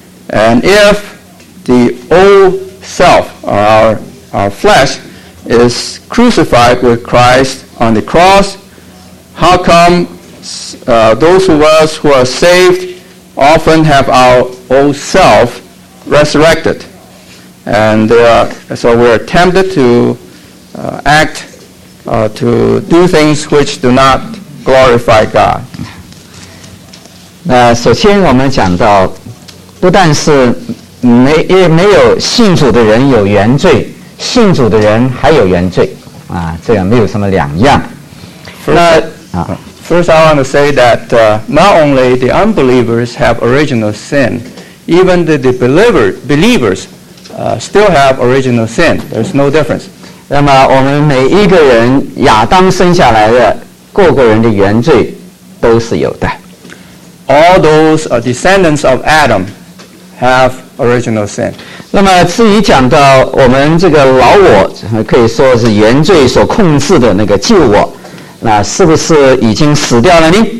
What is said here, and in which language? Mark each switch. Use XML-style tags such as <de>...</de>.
<en>And if the old self, our flesh, is crucified with Christ on the cross, how come those of us who are saved often have our old self resurrected? And so we're tempted to act, to do things which do not glorify God.</en> <zh>那首先我们讲到，不但是没有信主的人有原罪，信主的人还有原罪，这样没有什么两样。</zh> <en>First, I want to say that not only the unbelievers have original sin, even the believers still have original sin. There's no difference.</en> <zh>那么我们每一个人亚当生下来的各个人的原罪都是有的。</zh> <en>All those descendants of Adam have original sin.</en> <zh>那么至于讲到我们这个老我，可以说是原罪所控制的那个旧我，那是不是已经死掉了呢？</zh>